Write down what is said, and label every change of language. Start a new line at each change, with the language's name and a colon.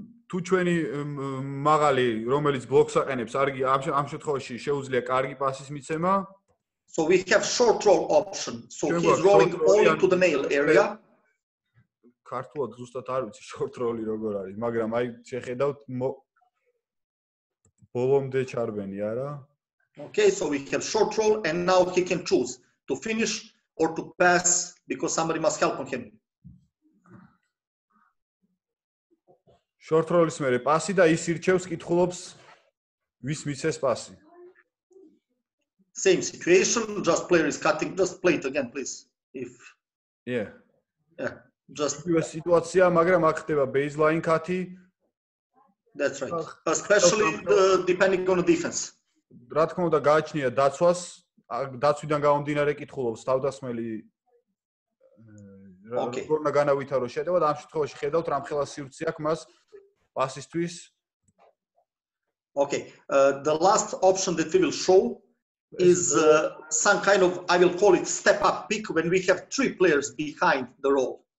Georgian: თუ ჩვენი მაღალი რომელიც ბლოკს აყენებს, არი ამ შემთხვევაში შეუძლია კარგი პასის მიცემა.
English: So we have short roll option. So he's rolling only to the nail area.
Georgian: ქართულად ზუსტად არ ვიცი short roll-ი როგორ არის, მაგრამ აი შეხედავთ ბოლომდე ჩარბენი არა.
English: Okay, so we have short roll and now he can choose to finish or to pass because somebody must help on him.
Georgian: Short roll-ის მერე პასი და ის ირჩევს, კითხულობს ვის მიცეს პასი.
English: Same situation, just player is cutting, just play it again please if yeah. Just
Georgian: იგივე სიტუაცია, მაგრამ აქ ხდება baseline cut-ი.
English: That's right. Especially depending on the defense.
Georgian: რა თქმა უნდა, გააჩნია დაცვას, დაცვიდან გამომდინარე კითხულობს თავდასხმელი როგორ უნდა განავითარო შეტევა და ამ შემთხვევაში ხედავთ რამ ხელა სივრცე აქვს მას პასისთვის.
English: Okay, the last option that we will show is some kind of I will call it step up pick when we have three players behind the roll.